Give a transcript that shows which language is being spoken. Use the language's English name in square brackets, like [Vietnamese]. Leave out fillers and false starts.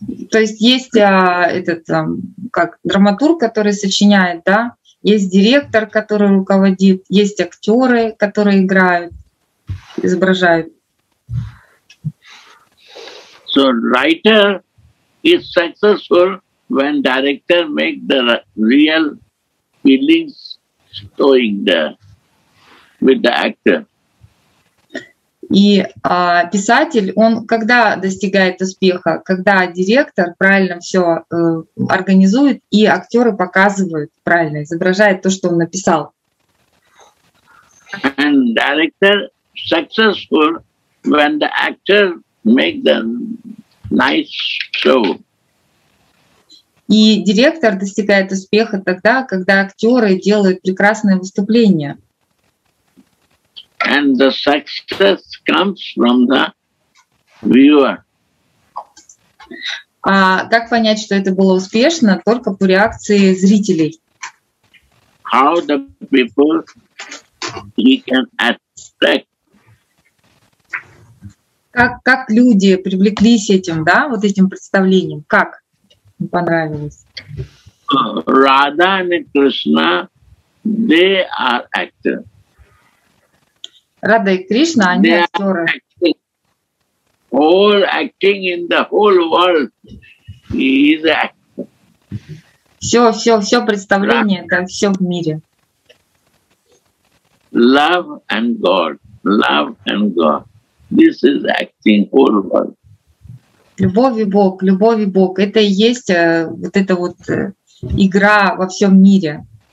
[Russian] То есть есть этот как драматург, который сочиняет, да? Есть директор, который руководит, есть актеры, которые играют, изображают. [English] So writer is successful when director make the real feelings going there with the actor. [Russian] И писатель, он когда достигает успеха, когда директор правильно все организует и актеры показывают правильно, изображает то, что он написал. [English] And director successful when the actor make the nice show. [Russian] И директор достигает успеха тогда, когда актеры делают прекрасные выступления. [English] And the success comes from the viewer. [Russian] А как понять, что это было успешно, только по реакции зрителей? [English] How the people he can attract? [Russian] Как люди привлеклись этим, да, вот этим представлением? Как? Понравилось. [English] Radha and Krishna, they are actors. [Russian] Radha и Krishna, они [English] they [Russian] актеры. [English] Are acting. All acting in the whole world is actor. [Russian] Все, все, все представление, Radha. Это все в мире. [English] Love and God, love and God. This is acting whole world. [Russian] Любовь и Бог, это и есть вот эта вот игра во всем мире.